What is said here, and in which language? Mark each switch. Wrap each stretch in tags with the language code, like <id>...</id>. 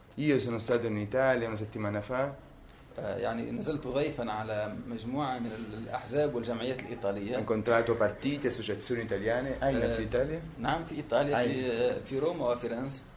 <it>Io sono stato in Italia una settimana fa.</it> <ar>يعني نزلت ضيفا على مجموعة من الأحزاب والجمعيات الإيطالية.</ar> <it>Incontrato partiti, associazioni italiane.</it> <ar>Aina في إيطاليا. نعم في إيطاليا في روما وفرنسا.</ar>